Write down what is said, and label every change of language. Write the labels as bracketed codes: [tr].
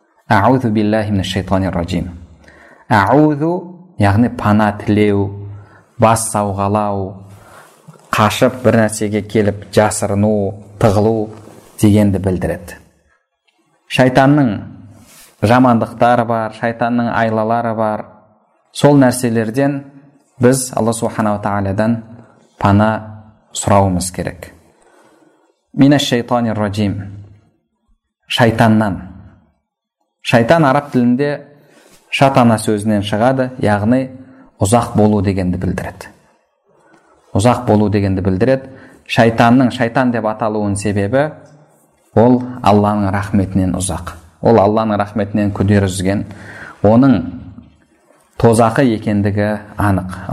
[ar] أعوذ بالله من الشيطان الرجيم أعوذ [kk] яғни пана тілеу, бас сауғалау, қашып бір нәрсеге келіп жасырыну, тығылу дегенді білдіреді. Шайтанның жамандықтары бар, шайтанның айлалары бар. Сол нәрселерден біз Алла субханаһу тағаладан пана сұрауымыз керек. [ar] من الشيطان الرجيم [kk] шайтаннан. Шайтан араб тілінде шатана сөзінен шығады, яғни ұзақ болу дегенді білдіреді. Ұзақ болу дегенді білдіреді. Шайтанның шайтан деп аталуының себебі ол Алланың рахметінен ұзақ. Ол Алланың рахметінен күдер үзген, оның тозақы екендігі анық.